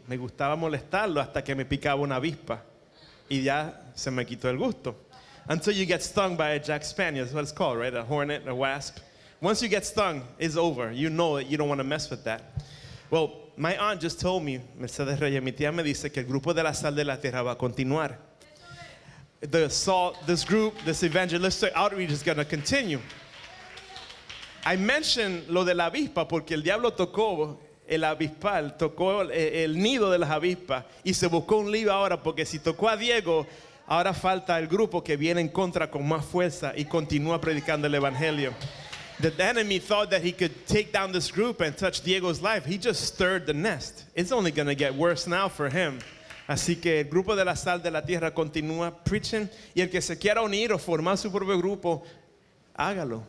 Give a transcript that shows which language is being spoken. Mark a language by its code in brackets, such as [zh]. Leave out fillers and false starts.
[es] Me gustaba molestarlo hasta que me picaba una avispa. Y ya se me quitó el gusto. [en] Until you get stung by a Jack Spaniel. That's what it's called, right? A hornet, a wasp. Once you get stung, it's over. You know that you don't want to mess with that. Well, my aunt just told me, [es] Mercedes Reyes, mi tía me dice que el grupo de la sal de la tierra va a continuar. [en] The salt, this group, this evangelistic outreach is going to continue. I mentioned [es] lo de la avispa porque el diablo tocó el avispal, tocó el nido de las avispas y se buscó un lío ahora porque si tocó a Diego, ahora falta el grupo que viene en contra con más fuerza y continúa predicando el evangelio. [en] that the enemy thought that he could take down this group and touch Diego's life. He just stirred the nest. It's only going to get worse now for him. [es] Así que el grupo de la sal de la tierra continúa [en] preaching. [es] Y el que se quiera unir o formar su propio grupo, hágalo.